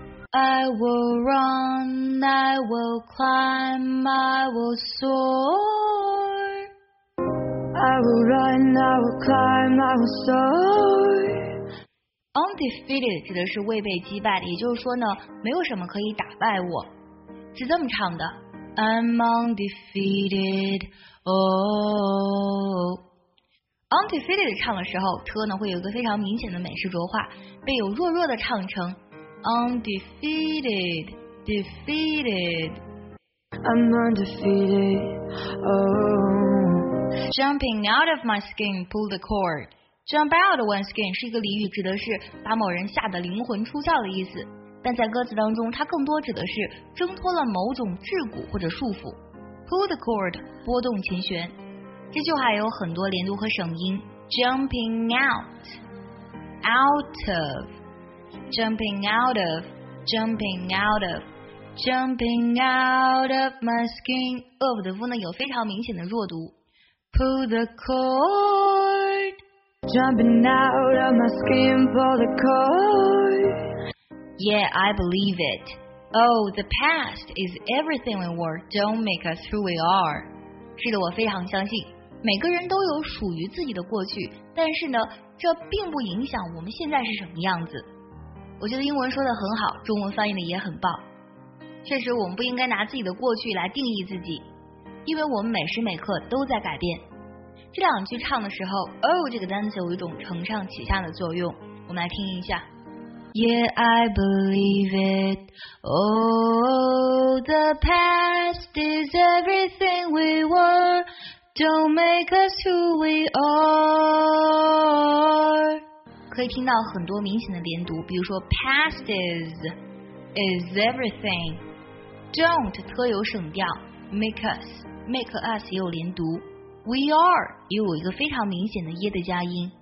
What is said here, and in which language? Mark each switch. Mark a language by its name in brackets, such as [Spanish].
[English] ，I will run, I will climb, I will soar. I will run, I will climb, I will soar. [Chinese] Undefeated 指的是未被击败的，也就是说呢，没有什么可以打败我，是这么唱的。 [English] I'm undefeated, oh. [Chinese] Undefeated 唱的时候，特呢会有一个非常明显的美式浊化，被有弱弱的唱成 undefeated, defeated. [English] I'm undefeated, oh. Jumping out of my skin, pull the cord. Jump out of one's skin [Chinese] 是一个俚语，指的是把某人吓得灵魂出窍的意思。但在歌词当中，它更多指的是挣脱了某种桎梏或者束缚。 [English] Pull the cord， [Chinese] 拨动琴弦。 这句话有很多连读和省音 ： [English] jumping out， out of， [Chinese] jumping out of， jumping out of， [English] jumping out of my skin。 [Chinese] of 的 v 呢有非常明显的弱读。 [English] Pull the cord， jumping out of my skin， pull the cord。 Yeah, I believe it. Oh, the past is everything we were. Don't make us who we are. [Chinese] 是的，我非常相信，每个人都有属于自己的过去，但是呢，这并不影响我们现在是什么样子。我觉得英文说得很好，中文翻译的也很棒。确实，我们不应该拿自己的过去来定义自己，因为我们每时每刻都在改变。这两句唱的时候 ，Oh 这个单词有一种承上启下的作用。我们来听一下。 [English] Yeah, I believe it. Oh, the past is everything we were. Don't make us who we are. [Chinese] 可以听到很多明显的连读，比如说 [English] past is everything. [Chinese] Don't 特有省调 [English] make us [Chinese] 也有连读。 [English] We are [Chinese] 也有一个非常明显的耶的加音。